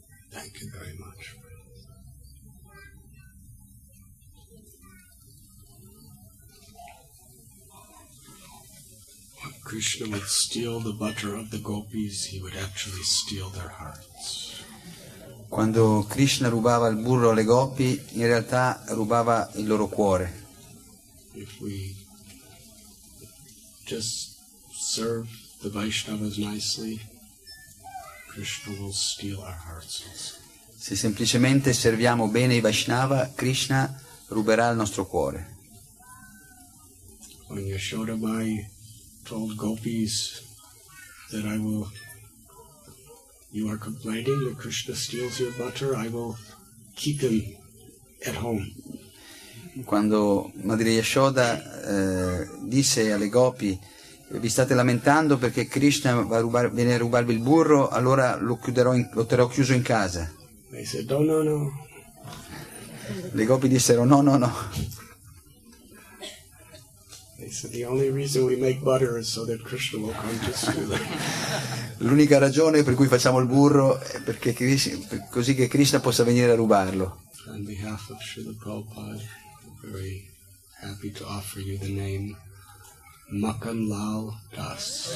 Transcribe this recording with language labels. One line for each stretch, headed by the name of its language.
English: Thank you very much. Krishna would steal the butter of the gopis, he would actually steal their hearts.
Italian: Quando Krishna rubava il burro alle gopi, in realtà rubava il loro cuore.
English: If we just serve the Vaishnavas nicely, Krishna will steal our hearts also.
Italian: Se semplicemente serviamo bene i Vaishnava, Krishna ruberà il nostro cuore.
English: When Yashoda Mai told gopis that I will, you are complaining that Krishna steals your butter, I will keep them at home.
Italian: Quando Madre Yashoda disse alle gopi, vi state lamentando perché Krishna viene a rubarvi il burro, allora lo terrò chiuso in casa.
English: They said, no, no, no.
Italian: Le gopi dissero, no, no, no.
English: So the only reason we make butter is so that Krishna will come to steal it.
Italian: L'unica ragione per cui facciamo il burro è perché così che Krishna possa venire a rubarlo.
English: On behalf of Srila Prabhupada, very happy to offer you the name Makanlal Das.